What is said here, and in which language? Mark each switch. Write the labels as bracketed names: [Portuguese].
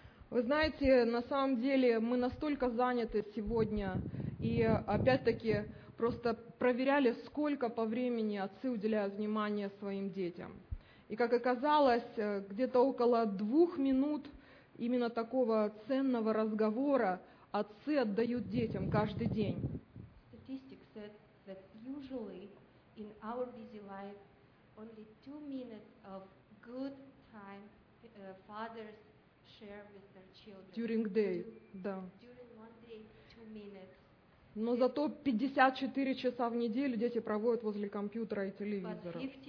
[Russian] Вы знаете, на самом деле мы настолько заняты сегодня, и опять-таки просто проверяли, сколько по времени отцы уделяют внимание своим детям. И как оказалось, где-то около 2 минут именно такого ценного разговора отцы отдают детям каждый день. [English] Statistics said that usually in our busy life only 2 minutes of good time fathers share with their children. During day, да. During one day, 2 minutes. [Russian] Но зато 54 часа в неделю дети проводят возле компьютера и телевизора.